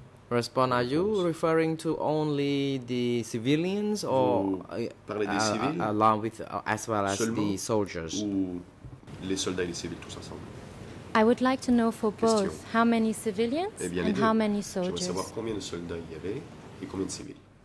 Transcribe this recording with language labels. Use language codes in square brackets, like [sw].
[en] Respond, are you referring to only the civilians or along with as well as the soldiers? [fr] Ou les soldats et les civils tous ensemble? [en] I would like to know for both how many civilians and how many soldiers. [fr] J'aimerais savoir combien de soldats il y avait et combien de civils.